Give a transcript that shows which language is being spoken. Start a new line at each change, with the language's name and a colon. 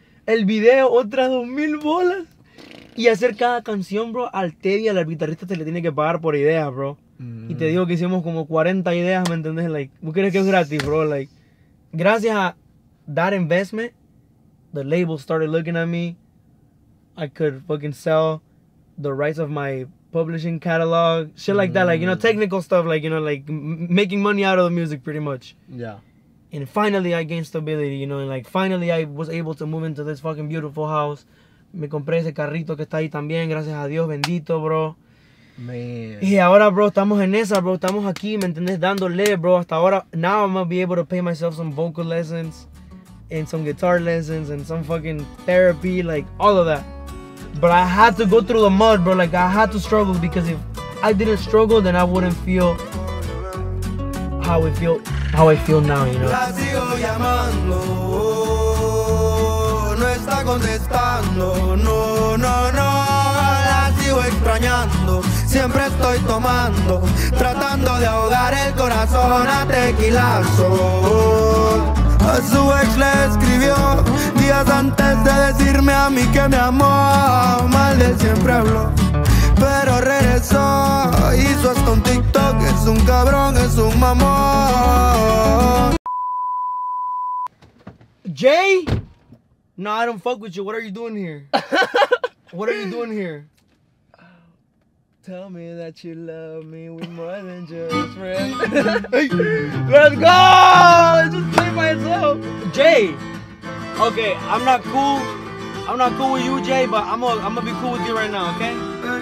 Spanish: El video, otras $2,000. Y hacer cada canción, bro, al Teddy, al guitarrista, se le tiene que pagar por ideas, bro. Y te digo que hicimos como 40 ideas, ¿me entendés? Like, ¿vos crees que es gratis, bro?
English: Like,
Spanish: gracias a
English: that investment, the label started looking at me. I could fucking sell the rights of my publishing catalog, shit like that, like, you know, technical stuff, like, you know, like making money out of the music, pretty much. Yeah. And finally, I gained stability, you know, and like finally, I was able to move into this fucking beautiful house.
Spanish: Me compré ese carrito que está ahí también, gracias a Dios, bendito, bro.
English: Man.
Spanish: Y ahora, bro, estamos en esa, bro. Estamos aquí, ¿me entiendes? Dándole, bro. Hasta ahora,
English: now I'm gonna be able to pay myself some vocal lessons and some guitar lessons and some fucking therapy, like all of that. But I had to go through the mud, bro. Like, I had to struggle, because if I didn't struggle, then I wouldn't feel how I feel now, you know?
Spanish: La sigo llamando, no está contestando, no, no, no. La sigo extrañando, siempre estoy tomando, tratando de ahogar el corazón a tequilazo. A su ex le escribió días antes de decirme a mí que me amó. Mal de siempre habló, pero regresó. Hizo hasta un TikTok, es un cabrón, es un mamón. Jay?
English: No, I don't fuck with you. What are you doing here? What are you doing here? Tell me that you love me, we're more than just friends. Let's go! Jay, okay, I'm not cool with you, Jay, but I'm gonna be cool with you right now, okay?